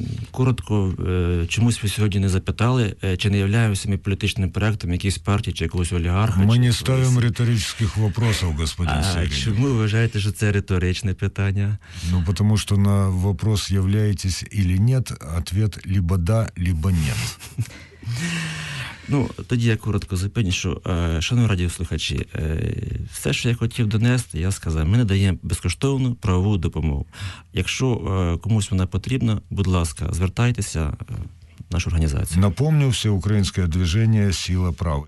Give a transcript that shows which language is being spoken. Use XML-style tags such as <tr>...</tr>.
<uk>Коротко, чомусь ви сьогодні не запитали, чи не являємося ми політичним проєктом якоїсь партії чи якогось олігарха? Ми не ставимо риторичних питань, господин Сергій. А чому ви вважаєте, що це риторичне питання? Ну, тому що</uk> <ru>на вопрос являєтесь или нет, ответ либо да, либо нет.</ru> <uk>Ну, тоді я коротко зупиню, що, шановні радіослухачі, все, що я хотів донести, я сказав, ми надаємо безкоштовну правову допомогу. Якщо комусь вона потрібна, будь ласка, звертайтеся в нашу організацію. Напомню, всеукраїнське движення «Сила права».</uk>